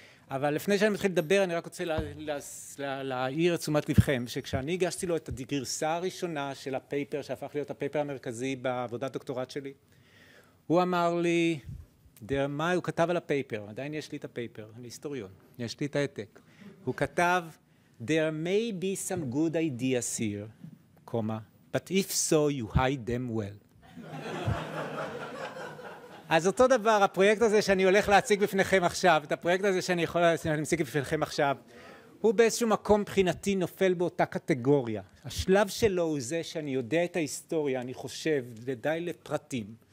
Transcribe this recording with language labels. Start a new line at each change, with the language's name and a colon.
Hebrew: אבל לפני שאני מתחיל לדבר, אני רק רוצה להעיר את תשומת לבכם, שכשאני הגשתי לו את הגרסה הראשונה של הפייפר, שהפך להיות הפייפר המרכזי בעבודת דוקטורט שלי, הוא אמר לי, מה הוא כתב על הפייפר? עדיין יש לי את הפייפר, אני היסטוריון, יש לי את העתק. הוא כתב,
English: there may be some good ideas here, comma, but if so, you hide them well.
Hebrew: אז אותו דבר, הפרויקט הזה שאני הולך להציג בפניכם עכשיו, את הפרויקט הזה שאני יכול להציג בפניכם עכשיו, הוא באיזשהו מקום מבחינתי נופל באותה קטגוריה. השלב שלו הוא זה שאני יודע את ההיסטוריה, אני חושב, די לפרטים.